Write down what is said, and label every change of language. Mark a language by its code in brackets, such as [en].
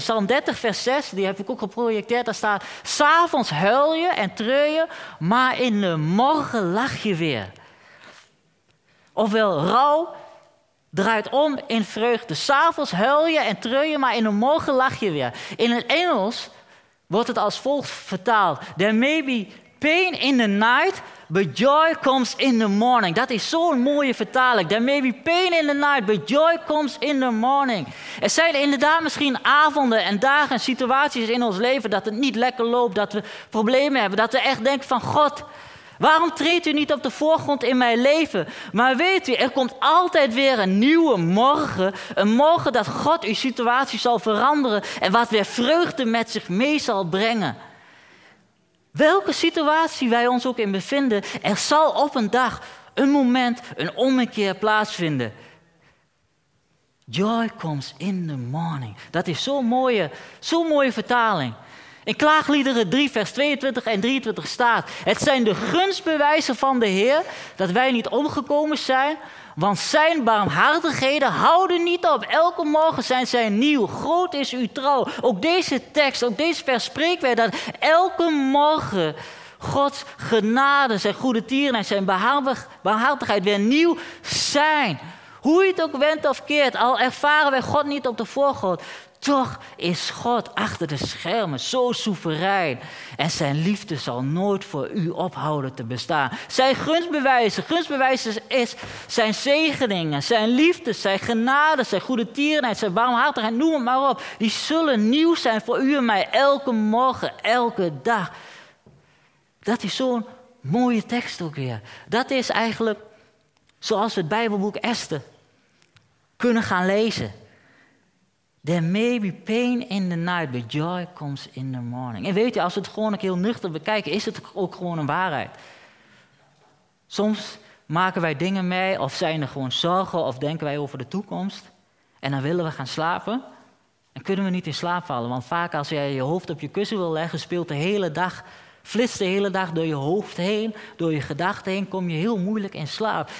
[nl] Psalm 30 vers 6, die heb ik ook geprojecteerd, daar staat, 's avonds huil je en treur je, maar in de morgen lach je weer.' Ofwel, rouw draait om in vreugde. 'S Avonds huil je en treur je, maar in de morgen lach je weer. In het Engels wordt het als volgt vertaald. [en] There may be pain in the night, but joy comes in the morning. [nl] Dat is zo'n mooie vertaling. [en] There may be pain in the night, but joy comes in the morning. [nl] Er zijn inderdaad misschien avonden en dagen en situaties in ons leven dat het niet lekker loopt, dat we problemen hebben, dat we echt denken van God, waarom treedt u niet op de voorgrond in mijn leven? Maar weet u, er komt altijd weer een nieuwe morgen. Een morgen dat God uw situatie zal veranderen en wat weer vreugde met zich mee zal brengen. Welke situatie wij ons ook in bevinden, er zal op een dag, een moment, een ommekeer plaatsvinden. [en] Joy comes in the morning. [nl] Dat is zo'n mooie vertaling. In Klaagliederen 3, vers 22 en 23 staat: het zijn de gunstbewijzen van de Heer dat wij niet omgekomen zijn, want zijn barmhartigheden houden niet op. Elke morgen zijn zij nieuw. Groot is uw trouw. Ook deze tekst, ook deze vers spreekt wij dat elke morgen Gods genade, zijn goede tierenheid, zijn barmhartigheid weer nieuw zijn. Hoe je het ook went of keert, al ervaren wij God niet op de voorgrond, toch is God achter de schermen zo soeverein. En zijn liefde zal nooit voor u ophouden te bestaan. Zijn gunstbewijzen is zijn zegeningen, zijn liefde, zijn genade, zijn goede tierenheid, zijn barmhartigheid, noem het maar op. Die zullen nieuw zijn voor u en mij elke morgen, elke dag. Dat is zo'n mooie tekst ook weer. Dat is eigenlijk zoals we het Bijbelboek Esther kunnen gaan lezen. [en] There may be pain in the night, but joy comes in the morning. [nl] En weet je, als we het gewoon ook heel nuchter bekijken, is het ook gewoon een waarheid. Soms maken wij dingen mee, of zijn er gewoon zorgen, of denken wij over de toekomst. En dan willen we gaan slapen. En kunnen we niet in slaap vallen. Want vaak als jij je hoofd op je kussen wil leggen, speelt de hele dag, flitst de hele dag door je hoofd heen, door je gedachten heen, kom je heel moeilijk in slaap.